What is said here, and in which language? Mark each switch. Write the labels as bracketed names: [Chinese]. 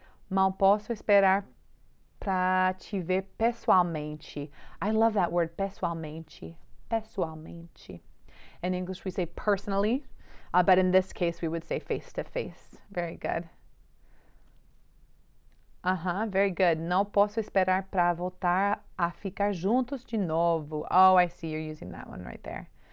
[Portuguese] Mal posso esperar para te ver pessoalmente. [English] I love that word, pessoalmente. Pessoalmente. In English, we say personally, but in this case, we would say face to face. Very good. Uh-huh, very good. [Portuguese] Não posso esperar para voltar a ficar juntos de novo. [English] Oh, I see you're using that one right there.